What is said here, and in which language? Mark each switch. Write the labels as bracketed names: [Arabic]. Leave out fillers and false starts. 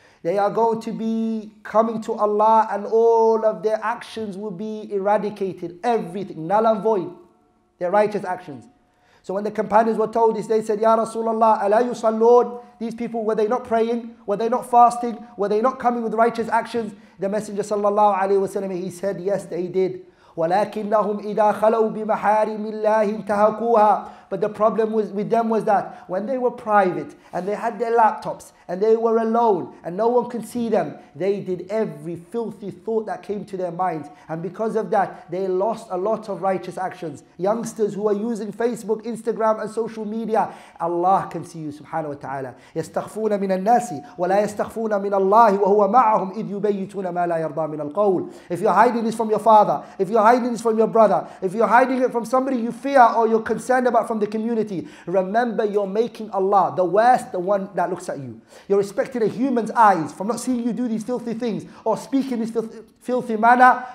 [English] They are going to be coming to Allah and all of their actions will be eradicated. Everything, null and void. Their righteous actions. So when the companions were told this, they said, [Arabic] Ya Rasulullah, ala yusallun? [English] These people, were they not praying? Were they not fasting? Were they not coming with righteous actions? The Messenger sallallahu alayhi wa sallam, he said, yes, they did. [Arabic] ولكنهم إذا خلوا بمحارم الله انتهكوها. [English] But the problem was with them was that when they were private and they had their laptops and they were alone and no one could see them, they did every filthy thought that came to their minds. And because of that, they lost a lot of righteous actions. Youngsters who are using Facebook, Instagram and social media, Allah can see you subhanahu wa ta'ala. [Arabic] يستخفون من الناس ولا يستخفون من الله وهو معهم إذ يبيتون ما لا يرضى من القول. [English] If you're hiding this from your father, if you're hiding this from your brother, if you're hiding it from somebody you fear or you're concerned about from from the community. Remember, you're making Allah, the worst, the one that looks at you. You're respected in human's eyes from not seeing you do these filthy things or speak in this filthy manner.